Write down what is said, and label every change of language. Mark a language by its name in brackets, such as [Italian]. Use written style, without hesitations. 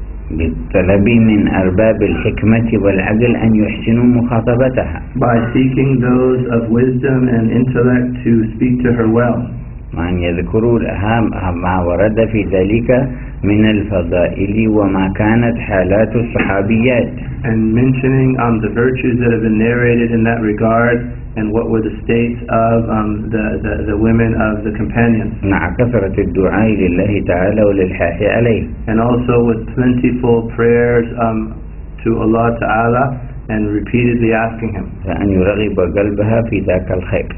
[Arabic] بالطلب من أرباب الحكمة والعقل أن يحسنوا مخاطبتها. [English] By seeking those of wisdom and intellect to speak to her well. [Arabic] وأن يذكروا لها ما ورد في ذلك من الفضائل وما كانت حالات الصحابيات. [English] And mentioning the virtues that have been narrated in that regard. And what were the states of the women of the companions? [Arabic] مع كثرة الدعاء لله تعالى وللحاح عليه. [English] And also with plentiful prayers to Allah Ta'ala and repeatedly asking Him. [Arabic] فأن يرغب قلبها في ذاك الخير.